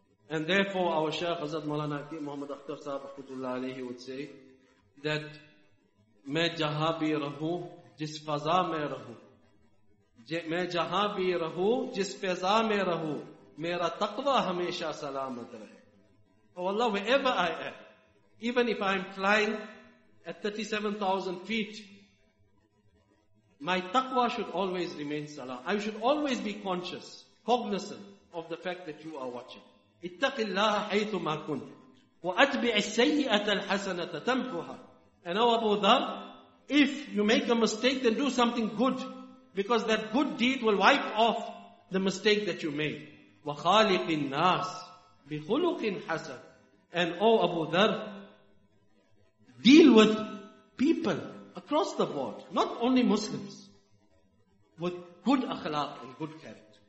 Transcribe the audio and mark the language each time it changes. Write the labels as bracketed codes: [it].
[en] And therefore our Shaykh Hazrat Maulana Hakim Muhammad Akhtar Sahib Rahmatullah Alayhi would say that, [ur] میں جہاں بھی رہوں جس فضا میں رہوں میں جہاں بھی رہوں جس فضا میں رہوں میرا تقوی ہمیشہ سلامت رہے. [en] Oh Allah, wherever I am, even if I am flying at 37,000 feet, my taqwa should always remain salah. I should always be conscious, cognizant of the fact that you are watching. [ar] اتق الله حيث ما كنت واتبع السيئة الحسنة تمحها. [en] And oh Abu Dhar, if you make a mistake, then do something good, because that good deed will wipe off the mistake that you made. [ar] وخالق الناس بخلق حسن. [en] And oh Abu Dhar, deal with people across the board, not only Muslims, with good akhlaq and good character.